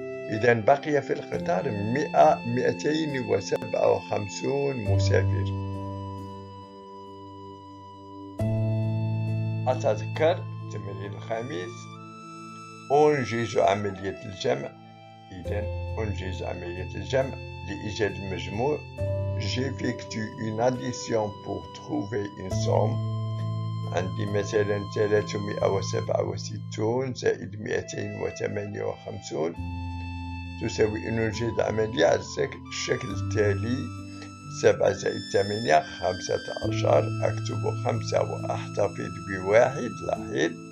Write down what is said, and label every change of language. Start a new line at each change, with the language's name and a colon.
Arabic: إذن بقي في القطار 257 مسافر. أتذكر التمرين الخامس. أنجز عملية الجمع. إذن أنجز عملية الجمع لإيجاد المجموع
French: J'effectue une addition pour trouver une somme.
Arabic: عندي مثلا 367 زائد 258 تساوي نجد عملية على الشكل التالي 7 زائد 8 15 أكتب 5 وأحتفظ بواحد لاحظ